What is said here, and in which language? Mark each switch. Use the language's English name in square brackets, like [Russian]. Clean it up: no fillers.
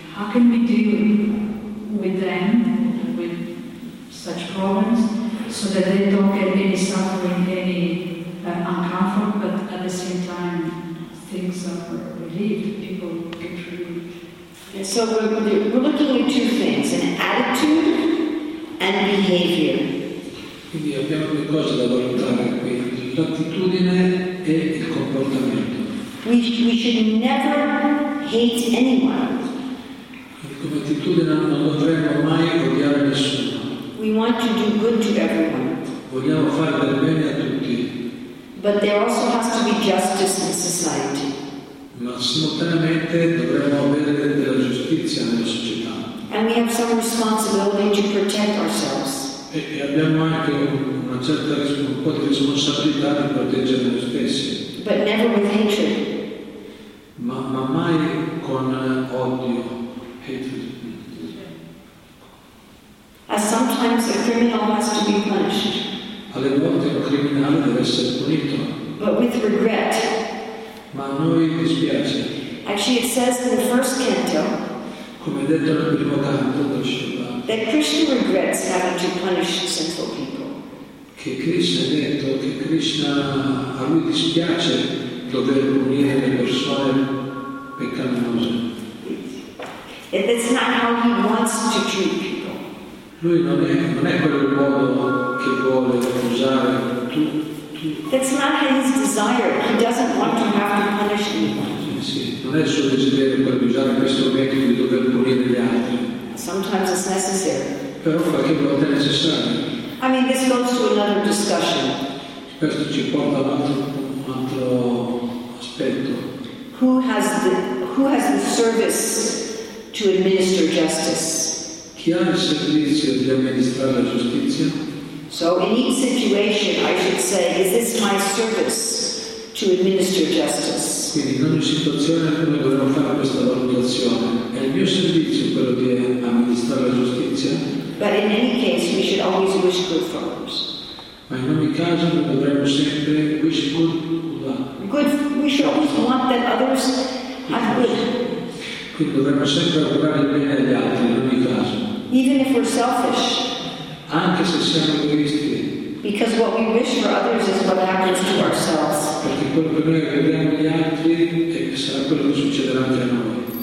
[English] How can we deal with them, with such problems, so that they don't get any suffering, any uncomfort, but at the same time things are relieved, people get relieved? And so we're looking at two things, an attitude and behavior. [Italian] Quindi abbiamo due cose da valutare qui, l'attitudine e il comportamento. [English] We should never hate anyone. [Italian] Quindi come attitudine non dovremmo mai odiare nessuno. [English] We want to do good to everyone. [Italian] Vogliamo fare del bene a tutti. [English] But there also has to be justice in society. [Italian] Ma simultaneamente dovremmo avere della giustizia nella società. [English] And we have some responsibility to protect ourselves. [Italian] E abbiamo anche una certa responsabilità di proteggere noi stessi. [English] But never with hatred. [Italian] Ma mai con odio, hatred. [English] As sometimes a criminal has to be punished. [Italian] Alle volte un criminale deve essere punito. [English] But with regret. [Italian] Ma a noi dispiace. [English] Actually, it says in the first canto. [Italian] Come detto nel primo canto del Shiva. [English] That Krishna regrets having to punish sinful people. [Italian] Che Krishna ha detto che Krishna a lui dispiace dover punire le persone peccaminose. [English] It's not how he wants to treat people. [Italian] Lui non è quello il modo che vuole usare tu. [English] That's not his desire. He doesn't want to have to punish anyone. [Italian] Sì, non è il suo desiderio quello di usare questo metodo di dover punire gli altri. [English] Sometimes it's necessary. [Italian] Però qualche volta è necessario. [English] I mean, this goes to another discussion. [Italian] Questo ci porta ad un altro aspetto. [English] Who has the service to administer justice? [Italian] Chi ha il servizio di amministrare la giustizia? [English] So in each situation, I should say, is this my service to administer justice? [Italian] Quindi in ogni situazione noi dovremmo fare questa valutazione. È il mio servizio quello di amministrare la giustizia? [English] But in any case we should always wish good for others. [Italian] Ma in ogni caso noi dovremmo sempre [English] wish good for others. We should always want that others have good. [Italian] Quindi dovremmo sempre augurare il bene agli altri in ogni caso. [English] Even if we're selfish. [Italian] Anche se siamo egoisti. [English] Because what we wish for others is what happens to ourselves. [Italian] Perché quello che noi vediamo gli altri è che sarà quello che succederà anche a noi.